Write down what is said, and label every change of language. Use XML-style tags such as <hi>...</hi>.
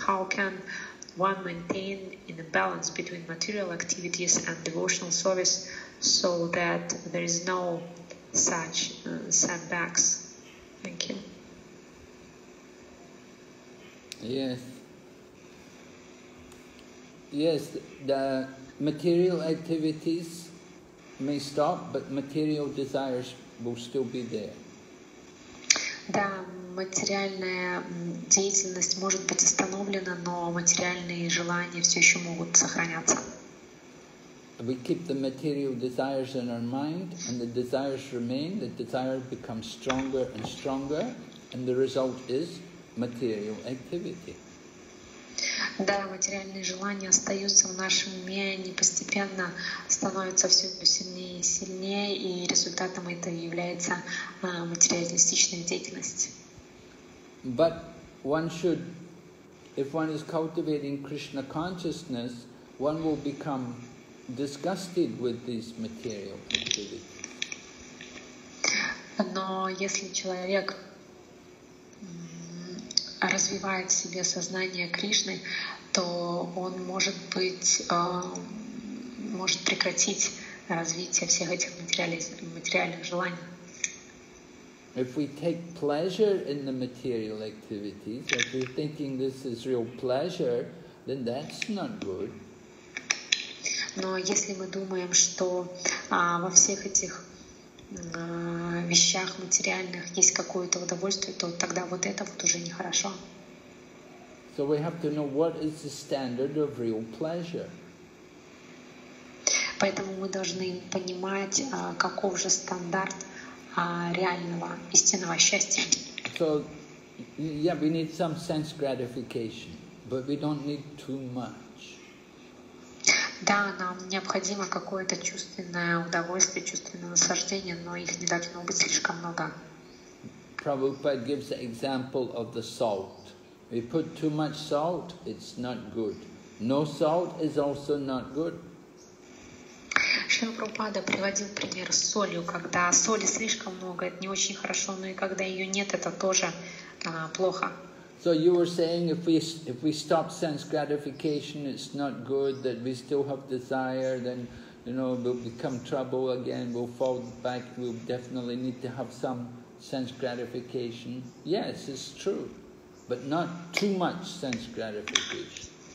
<en>How can one maintain in a balance between material activities and devotional service so that there is no such setbacks? Thank you. Yes. Yes, the material activities may stop, but material desires will still be there.</en> <ru>Да, материальная деятельность может быть остановлена, но материальные желания все еще могут сохраняться.</ru> <en>We keep the material desires in our mind, and the desires remain. The desire becomes stronger and stronger, and the result is material activity.</en> <ru>Да, материальные желания остаются в нашем уме, они постепенно становятся все сильнее и сильнее, и результатом этого является материалистичная деятельность.</ru> <en>But one should, if one is cultivating Krishna consciousness, one will become disgusted with these material activities.</en> <ru>Но если человек развивает в себе сознание Кришны, то он может быть может прекратить развитие всех этих материальных желаний.</ru> <en>If we take pleasure in the material activities, if we're thinking this is real pleasure, then that's not good.</en> <ru>Но если мы думаем, что во всех этих вещах материальных есть какое-то удовольствие, то тогда вот это вот уже нехорошо.</ru> <en>So we have to know what is the standard of real pleasure.</en> <ru>Поэтому мы должны понимать, каков же стандарт реального, истинного счастья.</ru> <en>So, yeah, we need some sense gratification, but we don't need too much.</en> <ru>Да, нам необходимо какое-то чувственное удовольствие, чувственное наслаждение, но их не должно быть слишком много.</ru> <en>Prabhupada gives the example of the salt. We put too much salt, it's not good. No salt is also not good.</en> <ru>Шрила Прабхупада приводил пример с солью. Когда соли слишком много, это не очень хорошо, но и когда ее нет, это тоже плохо.</ru> <en>So you were saying if we stop sense gratification, it's not good, that we still have desire, then, you know, we'll become trouble again, we'll fall back, we'll definitely need to have some sense gratification. Yes, it's true, but not too much sense gratification.</en>